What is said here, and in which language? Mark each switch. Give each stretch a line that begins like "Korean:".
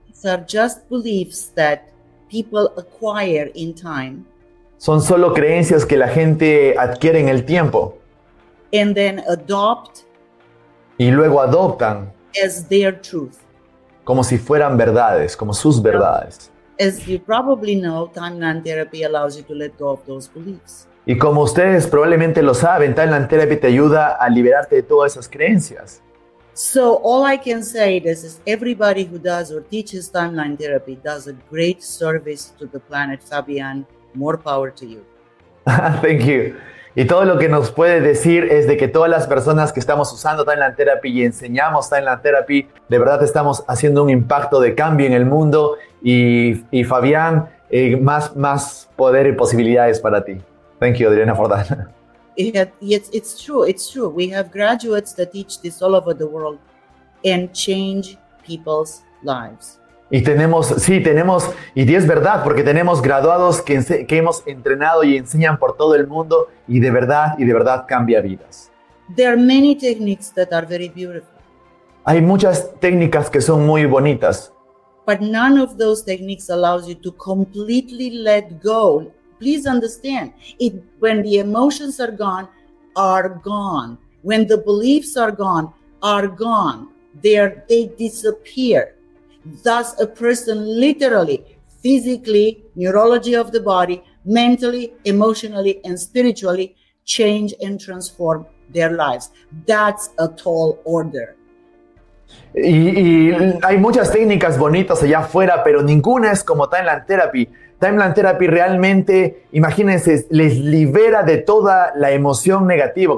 English: These are just beliefs that people acquire in time.
Spanish: Son solo creencias que la gente adquiere en el tiempo.
English: And then adopt.
Spanish: Y luego adoptan.
English: As their truth.
Spanish: Como si fueran verdades, como sus verdades.
English: As you probably know, timeline therapy allows you to let go of those beliefs.
Spanish: Y como ustedes probablemente lo saben, timeline therapy te ayuda a liberarte de todas esas creencias.
English: So all I can say is everybody who does or teaches timeline therapy does a great service to the planet, Fabian. More power to you. Thank you.
Spanish: Y todo lo que nos puede decir es de que todas las personas que estamos usando Timeline Therapy y enseñamos Timeline Therapy, de verdad estamos haciendo un impacto de cambio en el mundo. Y Fabián, más poder y posibilidades para ti.
English: Thank you, Adriana Fordán. It's true. We have graduates that teach this all over the world and change people's lives.
Spanish: Y tenemos, sí, tenemos, y es verdad, porque tenemos graduados que hemos entrenado y enseñan por todo el mundo y de verdad cambia vidas.
English: There are many techniques that are very beautiful.
Spanish: Hay muchas técnicas que son muy bonitas.
English: But none of those techniques allows you to completely let go. Please understand, when the emotions are gone, are gone. When the beliefs are gone, they disappear. Thus, a person literally, physically, neurology of the body, mentally, emotionally, and spiritually change and transform their lives. That's a tall order.
Spanish: Y hay muchas técnicas bonitas allá afuera, pero ninguna es como Timeline Therapy. Timeline Therapy realmente, imagínense, les libera de toda la emoción negativa.